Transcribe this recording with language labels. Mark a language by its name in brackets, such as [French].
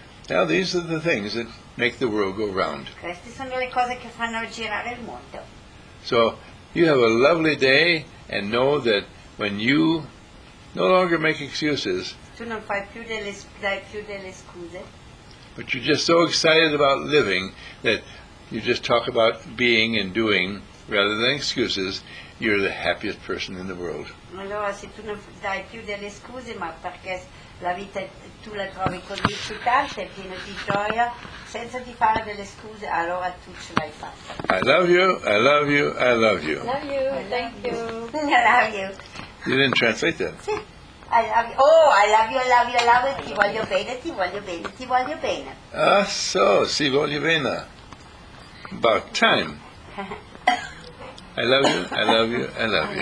[English] Now these are the things that make the world go round. [Italian] Queste sono le cose che fanno girare il mondo. [English] So you have a lovely day and know that when you no longer make excuses, [Italian] tu non fai più delle scuse, [English] but you're just so excited about living that you just talk about being and doing rather than excuses, you're the happiest person in the world. [Italian] Allora, se tu non dai più delle scuse, ma perché la vita tu la trovi così eccitante, piena di gioia, senza di fare delle scuse, allora tu ce l'hai fatta. [English] I love you, I love you, I love you. Love you, thank you. I love you. You didn't translate that. Sì. I love you. Oh, I love you, I love you, I love you. [Italian] Ti voglio bene, ti voglio bene, ti voglio bene. Ah, so, si voglio bene. [English] About time. I love you, I love you, I love you.